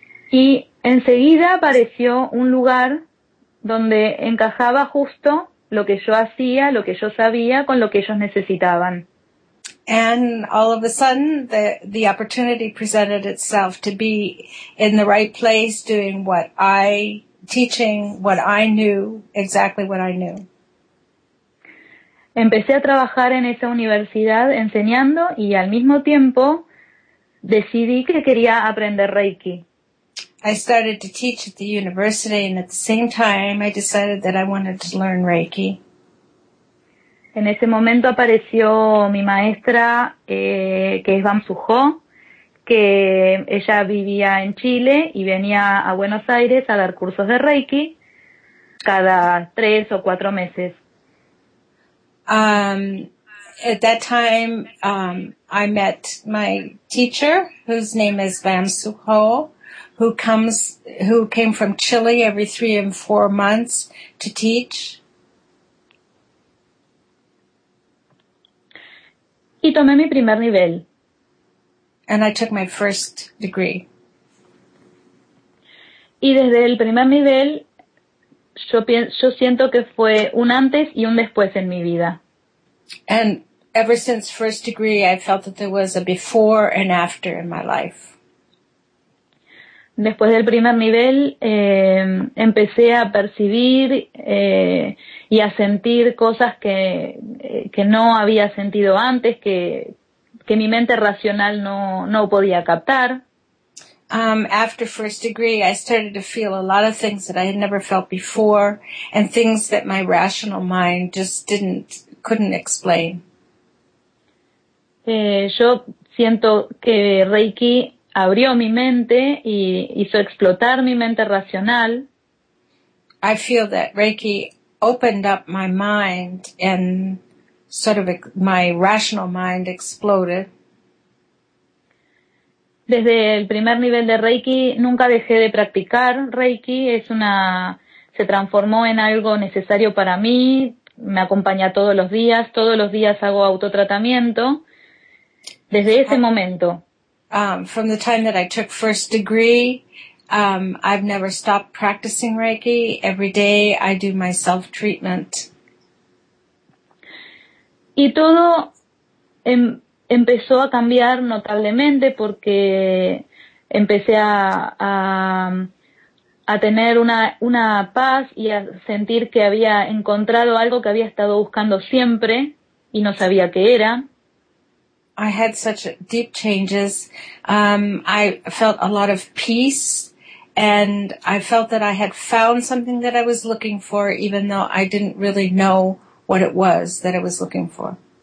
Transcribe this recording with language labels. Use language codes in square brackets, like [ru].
[es] Y enseguida apareció un lugar donde encajaba justo lo que yo hacía, lo que yo sabía, con lo que ellos necesitaban. [en] And all of a sudden, the opportunity presented itself to be in the right place, doing what I, teaching what I knew, exactly what I knew. [es] Empecé a trabajar en esa universidad enseñando y al mismo tiempo decidí que quería aprender Reiki. [en] I started to teach at the university and at the same time I decided that I wanted to learn Reiki. [es] En ese momento apareció mi maestra, que es Bam Suho, que ella vivía en Chile y venía a Buenos Aires a dar cursos de Reiki cada 3 o 4 meses. [en] At that time, I met my teacher, whose name is Bam Suho, who came from Chile every 3 and 4 months to teach. [es] Y tomé mi primer nivel. [en] And I took my first degree. [es] Y desde el primer nivel, yo siento que fue un antes y un después en mi vida. [en] And ever since first degree, I felt that there was a before and after in my life. [es] Después del primer nivel, empecé a percibir y a sentir cosas que no había sentido antes, que mi mente racional no podía captar. [en] After first degree, I started to feel a lot of things that I had never felt before and things that my rational mind just couldn't explain. [es] Yo siento que Reiki abrió mi mente y hizo explotar mi mente racional. [en] I feel that Reiki opened up my mind and sort of my rational mind exploded. [es] Desde el primer nivel de Reiki, nunca dejé de practicar Reiki. Se transformó en algo necesario para mí. Me acompaña todos los días. Todos los días hago autotratamiento. Desde ese momento. [en] From the time that I took first degree, I've never stopped practicing Reiki. Every day I do my self-treatment. [es] Y todo empezó a cambiar notablemente porque empecé a tener una paz y a sentir que había encontrado algo que había estado buscando siempre y no sabía qué era. [en] I had such deep changes. I felt a lot of peace and I felt that I had found something that I was looking for even though I didn't really know what it was that I was looking for.